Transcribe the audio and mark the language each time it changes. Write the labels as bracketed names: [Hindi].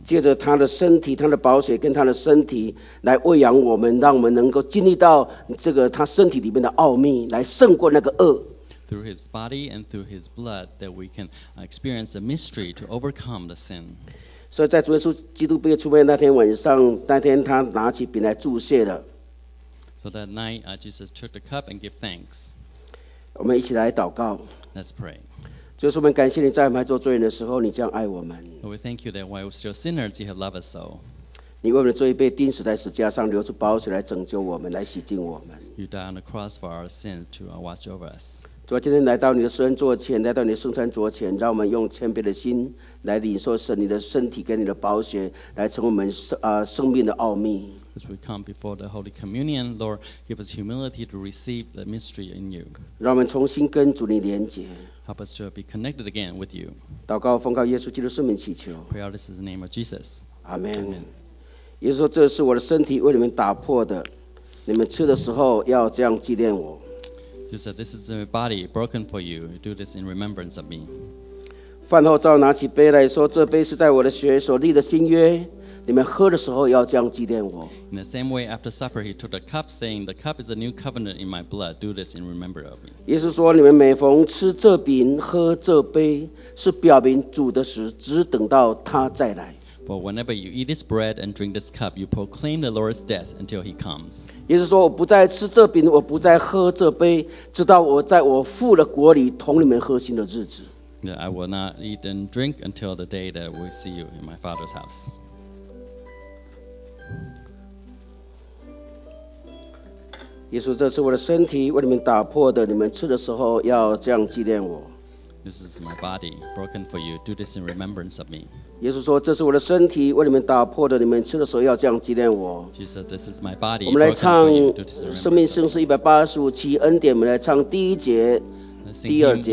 [Chinese] 借着他的身体，他的宝血跟他的身体来喂养我们，让我们能够经历到这个他身体里面的奥秘，来胜过那个恶。 [English] Through his body and through his blood, that we can experience the mystery to overcome the sin. [Chinese] 所以在主耶稣基督被出卖那天晚上，那天他拿起饼来祝谢了。 [English] So that night, Jesus took the cup and gave thanks. [Chinese] 我们一起来祷告。 [English] Let's pray. [Chinese] 就是我们感谢你，在我们还做罪人的时候，你这样爱我们。 [English] We thank you that while we're still sinners, you have loved us so. [Chinese] 你为我们的罪被钉死在十字架上，流出宝血来拯救我们，来洗净我们。 [English] You died on the cross for our sin to watch over us. [Chinese] 主啊，今天来到你的施恩座前，来到你的圣餐桌前，让我们用谦卑的心来领受神你的身体跟你的宝血，来成为我们生命的奥秘。 [English] As we come before the Holy Communion, Lord, give us humility to receive the mystery in you. [Chinese] 让我们重新跟主你连结。 [English] Help us to be connected again with you. [Chinese] 祷告奉告耶稣基督圣名祈求。 [English] Pray all this in the name of Jesus. Amen. [Chinese] 耶稣说：“这是我的身体为你们打破的，你们吃的时候要这样纪念我。” [English] He said, "This is my body broken for you. Do this in remembrance of me." [Chinese] 饭后照拿起杯来说：“这杯是在我的血所立的新约。” 你们喝的时候要这样纪念我。 [English] In the same way, after supper, he took the cup, saying, "The cup is a new covenant in my blood. Do this in remembrance of me." [Chinese] 耶稣说：“你们每逢吃这饼、喝这杯，是表明主的时，只等到他再来。” [English] For whenever you eat this bread and drink this cup, you proclaim the Lord's death until he comes. [Chinese] 耶稣说：“我不再吃这饼，我不再喝这杯，直到我在我父的国里同你们喝新的日子。” [English] I will not eat and drink until the day that we see you in my Father's house. [Chinese] 耶稣，这是我的身体，为你们打破的。你们吃的时候要这样纪念我。 [English] This is my body broken for you. Do this in remembrance of me. [Chinese] 耶稣说，这是我的身体，为你们打破的。你们吃的时候要这样纪念我。 [English] Jesus, this is my body. [Chinese] 我们来唱《生命圣诗》185，其恩典。我们来唱第一节、第二节。